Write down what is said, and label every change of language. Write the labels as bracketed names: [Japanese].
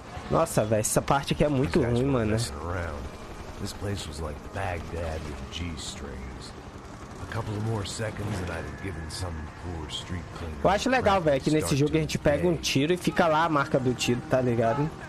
[Portuguese] Nossa, velho, essa parte aqui é muito ruim, mano. [English] This place was like Baghdad with G-strings. A couple of more seconds and I'd have given some poor street cleaner. [Portuguese] Eu acho legal, velho, que nesse jogo a gente pega um tiro e fica lá a marca do tiro, tá ligado?